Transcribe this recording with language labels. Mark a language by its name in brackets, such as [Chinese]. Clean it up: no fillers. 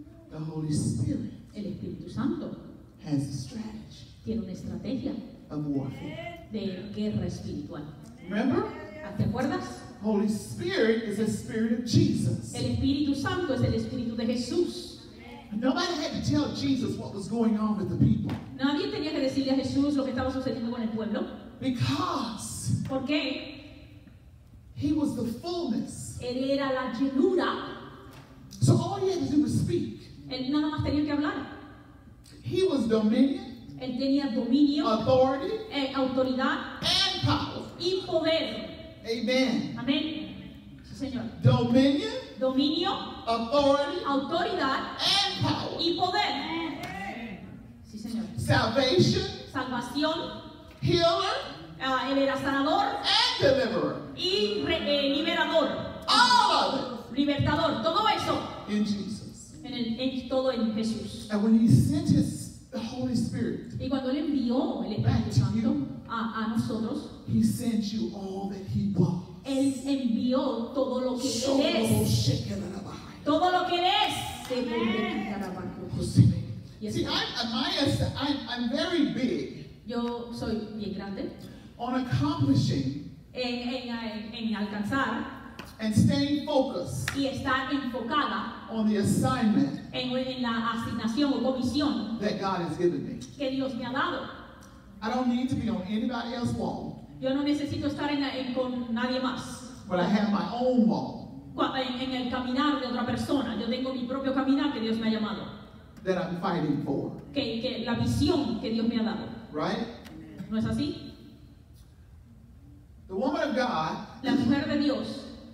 [English] The Holy Spirit. [Spanish] El Espíritu Santo. [English] Has a strategy. [Spanish] Tiene una estrategia. [English] Of warfare. [Spanish] De guerra espiritual. [English] Remember? [Spanish] ¿Te acuerdas? [English] Holy Spirit is the Spirit of Jesus. [Spanish] El Espíritu Santo es el Espíritu de Jesús. [English] Nobody had to tell Jesus what was going on with the people. [Spanish] Nadie tenía que decirle a Jesús lo que estaba sucediendo con el pueblo. [English] Because. [Spanish] ¿Por qué? [English] He was the fullness. [Spanish] Él era la llenura. [English] So all he had to do was speak. [Spanish] Él nada más tenía que hablar. [English] He was dominion. [Spanish] Él tenía dominio, [English] authority, [Spanish] autoridad, [English] and power. [Spanish] Y poder. [English] Amen. [Spanish] Amén. Señor. [English] Dominion, [Spanish] dominio, [English] authority, [Spanish] autoridad, [English] and power. [Spanish] Y poder. Sí, Señor. [English] Salvation, [Spanish] salvación, [English] healer, [Spanish] él era sanador, [English] and deliverer. [Spanish] Y liberador. [English] All of it. [Spanish] Libertador. Todo eso. [English] In Jesus. [Spanish] Todo en Jesús. [English] And when he sent his the Holy Spirit. [Spanish] Y cuando él envió el Espíritu Santo a nosotros, [English] he sent you all that he was. [Spanish] Él envió todo lo que so él es. Todo lo que él es. [English] I'm very big. [Spanish] Yo soy bien grande. [English] On accomplishing. [Spanish] En alcanzar. [English] And staying focused. [Spanish] Y estar enfocada. [English] On the assignment. [Spanish] En la asignación o comisión. [English] That God has given me. [Spanish] Que Dios me ha dado. [English] I don't need to be on anybody else's wall. [Spanish] Yo no necesito estar con nadie más. [English] But I have my own wall. [Spanish] En el caminar de otra persona. Yo tengo mi propio caminar que Dios me ha llamado. [English] that I'm fighting for. [Spanish] Que la visión que Dios me ha dado. [English] Right? [Spanish] ¿No es así? [English] The woman of God, [Spanish] la mujer de Dios,